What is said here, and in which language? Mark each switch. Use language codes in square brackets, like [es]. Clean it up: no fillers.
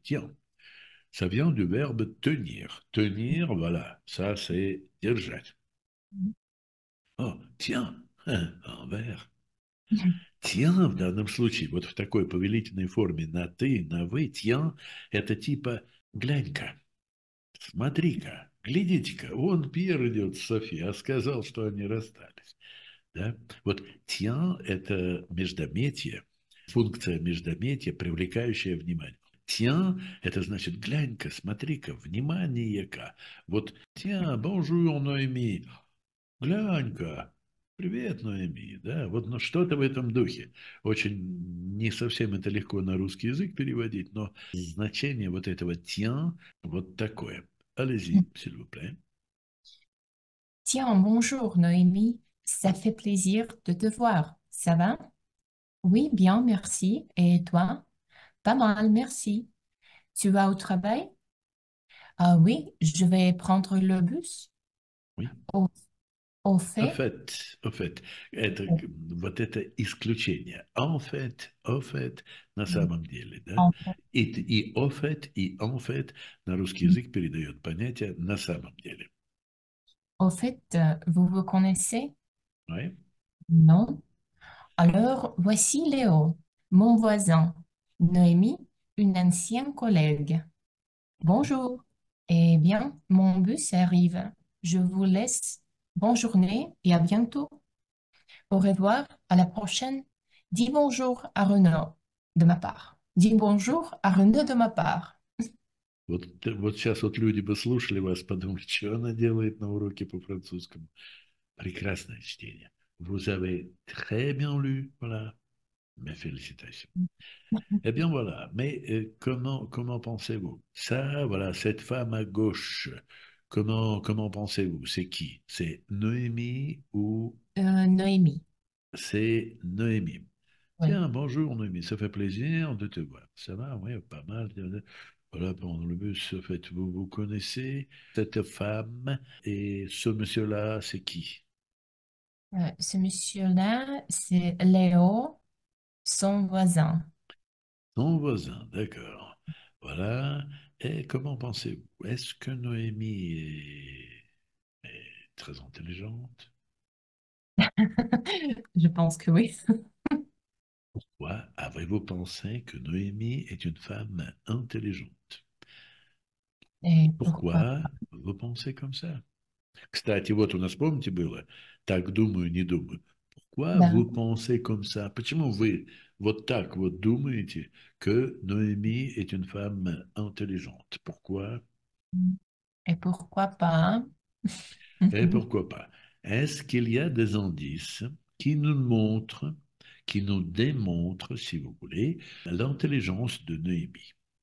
[fr] Tiens, ça vient du verbe tenir. Tenir, voilà, ça c'est держать. Oh, tiens, un verre. [ru] Tiens, в данном случае, вот в такой повелительной форме, на ты, на вы, tiens, это типа глянь-ка, смотри-ка. Глядите-ка, вон Пьер идет с Софи, а сказал, что они расстались. Да? Вот тьян – это междометие, функция междометия, привлекающая внимание. Тьян – это значит, глянь-ка, смотри-ка, внимание-ка. Вот тьян, бонжур, Ноэми, глянь-ка, привет, Ноэми. Да? Вот, но что-то в этом духе. Очень не совсем это легко на русский язык переводить, но значение вот этого тьян вот такое. [fr] Allez-y, s'il vous plaît. Tiens, bonjour Noémie, ça fait plaisir de te voir. Ça va? Oui, bien, merci. Et toi? Pas mal, merci. Tu vas au travail? Ah oui, je vais prendre le bus. Au fait. Au fait, [ru] это вот это исключение. [fr] En fait, [ru] на самом деле, да? И [fr] au fait, [ru] и [fr] en fait [ru] на русский язык передает понятие на самом деле. [fr] Au fait, vous vous connaissez? Ouais. Non? Alors, voici Léo, mon voisin. Noémie, une ancienne collègue. Bonjour. Eh bien, mon bus arrive. Je vous laisse. Bonne journée et à bientôt. Au revoir, à la prochaine. Dis bonjour à Renaud de ma part. Dis bonjour à Renaud de ma part. [ru] Вот сейчас вот люди бы слушали вас, подумали, что она делает на уроке по французскому. Прекрасное чтение. [fr] Vous avez très bien lu, voilà. Mes félicitations. Eh bien, voilà. Mais comment pensez-vous? Ça, voilà, cette femme à gauche, comment pensez-vous? C'est qui? C'est Noémie ou... Noémie. C'est Noémie. Tiens, bonjour Noémie, ça fait plaisir de te voir. Ça va? Oui, pas mal. Voilà, pendant le bus, en fait, vous connaissez cette femme et ce monsieur-là, c'est qui? Ce monsieur-là, c'est Léo, son voisin. Son voisin, d'accord. Voilà. Et comment pensez-vous? Est-ce que Noémie est très intelligente? Je pense que oui. Pourquoi avez-vous pensé que Noémie est une femme intelligente? Et pourquoi Pourquoi vous pensez comme ça? [ru] Кстати, вот у нас, помните, было «так думаю, не думаю». [fr] Пourquoi pas? [ru] вы [fr] pensez comme ça? [ru] Почему вы вот так вот думаете, [fr] que Noémie est une femme intelligente? Pourquoi? Et pourquoi pas? Et pourquoi pas? Est-ce qu'il y a des indices qui nous montrent, qui nous démontrent, si vous voulez, l'intelligence de Noémie?